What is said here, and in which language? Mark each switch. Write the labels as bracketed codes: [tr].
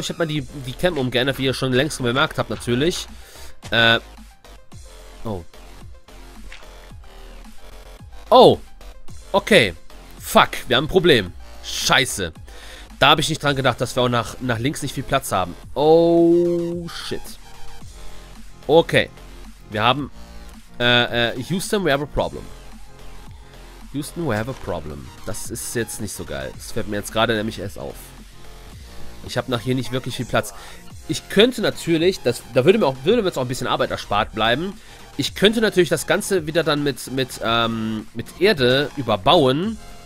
[de] Ich habe mal die Cam umgeändert, wie ihr schon längst bemerkt habt, natürlich. Oh. Oh. Okay. Fuck. Wir haben ein Problem. Scheiße. Da habe ich nicht dran gedacht, dass wir auch nach links nicht viel Platz haben. Oh. Shit. Okay. Wir haben. [en] Houston, we have a problem. Houston, we have a problem. [de] Das ist jetzt nicht so geil. Das fällt mir jetzt gerade nämlich erst auf. Ich habe nach hier nicht wirklich viel Platz. Ich könnte natürlich, da würde mir jetzt auch ein bisschen Arbeit erspart bleiben. Ich könnte natürlich das Ganze wieder dann mit Erde überbauen.